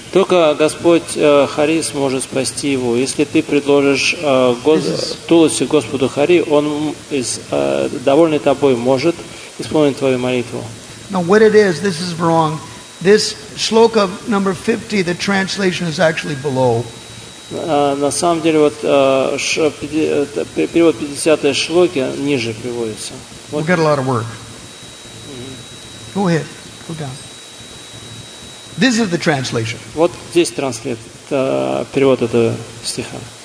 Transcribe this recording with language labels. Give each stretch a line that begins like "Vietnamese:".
Russian: Только Господь Хари сможет спасти его. Если ты предложишь Туласи Господу Хари, он довольный тобой, может исполнить твою молитву.
English: Now, what it is, this is wrong. This shloka number 50, the translation is actually below.
Russian: На самом деле, вот перевод 50-й шлоки ниже приводится.
English: We've got a lot of work. Go ahead. Go down. This is the translation.
Russian: Вот здесь транслит перевод этого стиха.